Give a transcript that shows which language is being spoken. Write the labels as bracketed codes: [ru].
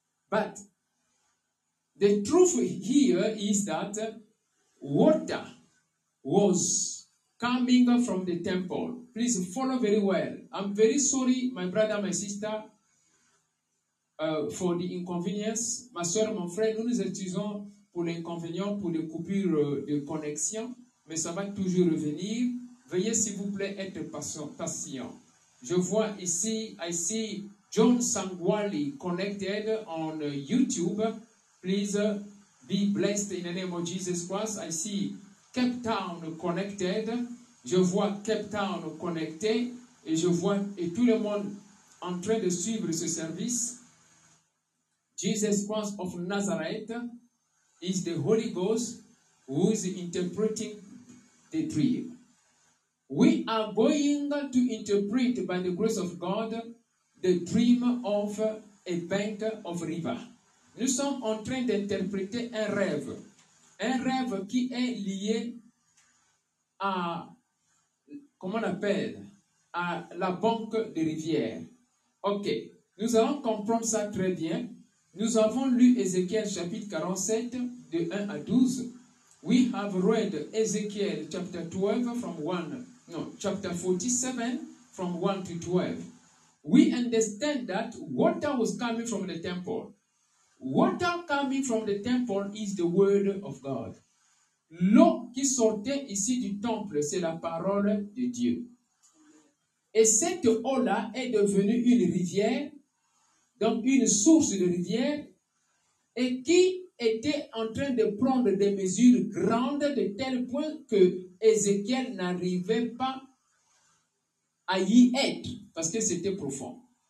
[en] But the truth here is that water was coming from the temple. Please follow very well. I'm very sorry, my brother, my sister, for the inconvenience. [fr] Ma soeur, mon frère, nous nous excusons pour l'inconvénient, pour les coupures de connexion, mais ça va toujours revenir. Veuillez, s'il vous plaît, être patient. Je vois ici, [en] I see John Sangwali connected on YouTube. Please be blessed in the name of Jesus Christ. I see Cape Town connected. [fr] Je vois Cape Town connecté. Et je vois et tout le monde en train de suivre ce service. [en] Jesus Christ of Nazareth is the Holy Ghost who is interpreting the dream. We are going to interpret by the grace of God the dream of a bank of river. [fr] Nous sommes en train d'interpréter un rêve qui est lié à, comment on appelle, à la banque de rivière. Ok, nous allons comprendre ça très bien. Nous avons lu Ézéchiel chapitre 47 de 1 à 12. [en] We have read Ézéchiel chapter 12 from 1, no, chapter 47 from 1 to 12. We understand that water was coming from the temple. Water coming from the temple is the word of God. [fr] L'eau qui sortait ici du temple, c'est la parole de Dieu. Et cette eau-là est devenue une rivière, donc une source de rivière, et qui était en train de prendre des mesures grandes de tel point que Ézéchiel n'arrivait pas à y être, parce que c'était profond.